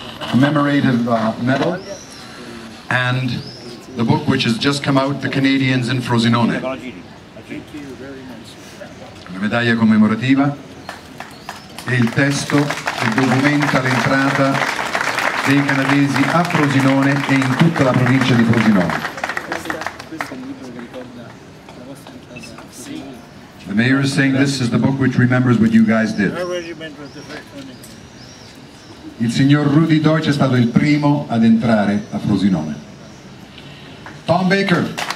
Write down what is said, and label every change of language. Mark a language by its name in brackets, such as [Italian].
[English] Commemorative medal and the book which has just come out, The Canadians in Frosinone. Thank you very much. [Italian] Una medaglia commemorativa e il testo che documenta l'entrata dei canadesi a Frosinone e in tutta la provincia di Frosinone. [English] The mayor is saying this is the book which remembers what you guys did. [Italian] Il signor Rudy Deutsch è stato il primo ad entrare a Frosinone. Tom Baker.